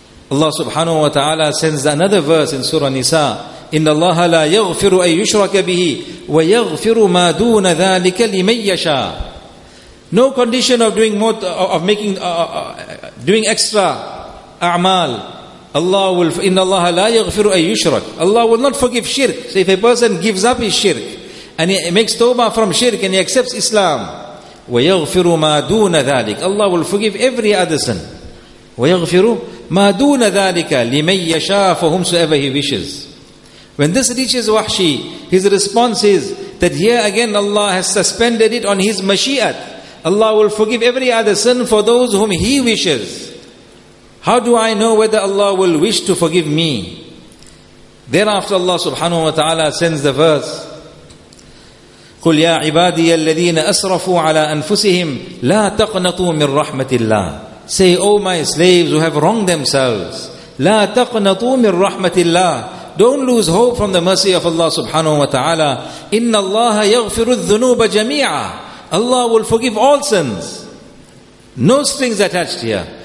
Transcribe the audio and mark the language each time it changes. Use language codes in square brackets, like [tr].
[en] Allah subhanahu wa ta'ala sends another verse in Surah Nisa. [ar] إِنَّ اللَّهَ لَا يَغْفِرُ أَن يُشْرَكَ بِهِ وَيَغْفِرُ مَا دُونَ ذَٰلِكَ لِمَن يَشَاءُ. [en] No condition of doing more, of making, doing extra a'mal. Allah will, [ar] إِنَّ اللَّهَ لَا يَغْفِرُ أَن يُشْرَكَ. [en] Allah will not forgive shirk. So if a person gives up his shirk, and he makes tawbah from shirk, and he accepts Islam, [ar] وَيَغْفِرُ مَا دُونَ ذَٰلِكَ. [en] Allah will forgive every other sin. [ar] وَيَغْفِرُ مَا دُونَ ذَٰلِكَ لِمَن يَشَاءُ, [en] for whomsoever he wishes. When this reaches Wahshi, his response is that here again Allah has suspended it on his mashiat. Allah will forgive every other sin for those whom he wishes. How do I know whether Allah will wish to forgive me? Thereafter Allah subhanahu wa ta'ala sends the verse, [ar] قُلْ يَا عِبَادِيَ الَّذِينَ أَسْرَفُوا عَلَىٰ أَنفُسِهِمْ لَا تَقْنَطُوا مِنْ رَحْمَةِ اللَّهِ. [en] Say, O my slaves who have wronged themselves, [ar] لَا تَقْنَطُوا مِنْ رَحْمَةِ اللَّهِ. [en] Don't lose hope from the mercy of Allah subhanahu wa ta'ala. [ar] Inna Allah yaghfiru adh-dhunuba jami'a. [en] Allah will forgive all sins. No strings attached here.